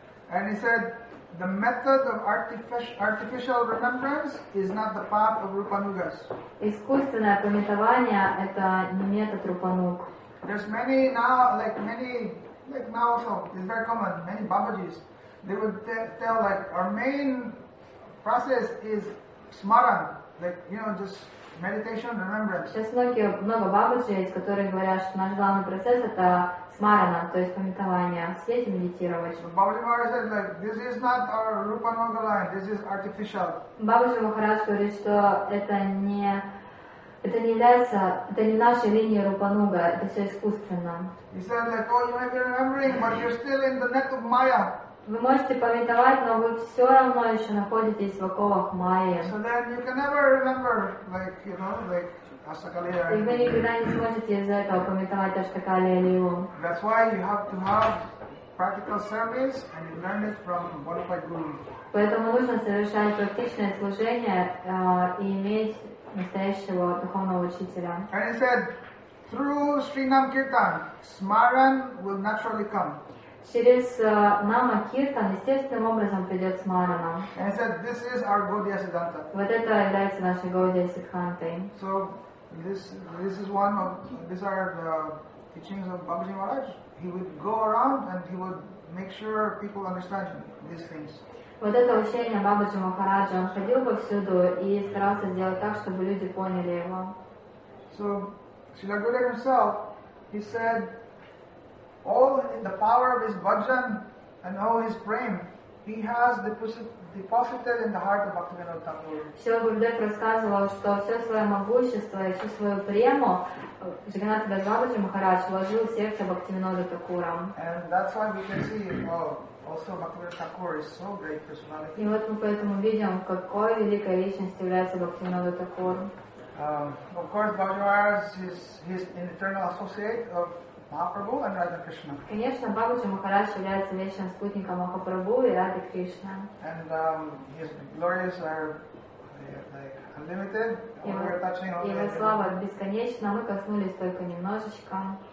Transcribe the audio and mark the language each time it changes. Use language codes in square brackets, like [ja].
[en] And he said, the method of artificial remembrance is not the path of Rupanugas. [ru] Искусственное памятование – это не метод Рупануг. [en] There's many now, like now also, it's very common, many Babaji's, they would tell like, our main process is smaran, like, you know, just meditation, remembrance. [ru] Сейчас много Бабаджи есть, которые говорят, что наш главный процесс это смарана, то есть памятование, сидеть и медитировать. [en] Бабаджи Махарадж said, like, this is not our Rupananda line, this is artificial. [ru] Бабаджи Махарадж говорит, что это не... Это не является, это не наша линия Рупануга, это все искусственно. [en] He said, like, oh, you may be remembering, but you're still in the net of Maya. [ru] Вы можете памятовать, но вы все равно еще находитесь в оковах Майи. [en] So then you can never remember, like, you know, like Ashtakali. [ru] И вы никогда не сможете из-за этого памятовать Аштакали Алилу. [en] That's why you have to have practical service and you learn it from qualified guru. [ru] Поэтому нужно совершать практичное служение и иметь настоящего духовного учителя. [en] And he said, through Srinam Kirtan, Smaran will naturally come. [ru] Через Нама Киртан естественным образом придет Смарана. [en] And he said, this is our Gaudiya Siddhanta. [ru] Вот это является нашей Gaudiya Siddhantai. [en] So, this is one of, these are the teachings of Babaji Maharaj. He would go around and he would make sure people understand these things. [ru] Вот это учение Бабаджи Махараджа, он ходил повсюду и старался сделать так, чтобы люди поняли его. [en] So, Srila Gaudiya himself, he said, all in the power of his bhajan and all his prem, he has deposited in the heart of Bhaktivinoda Thakur. [ru] Шрила Гурудева рассказывал, что все свое могущество и всю свою прему Джаганнат Бхагавати Махарадж вложил в сердце Бхактивинода Такура. [en] And that's why we can see, well, also Bhaktivinoda Thakur is so great personality. [ru] И вот мы поэтому видим, какой великой личностью является Бхактивинода Такур. [en] Of course, Bhaktivinoda is his internal associate of Mahaprabhu and Radha Krishna. [ru] Конечно, Бхагавати Махарадж является вечным спутником Махапрабху и Радхи Кришны. [en] And his glories are like unlimited. [ru] Его слава бесконечна. Мы коснулись только немножечко.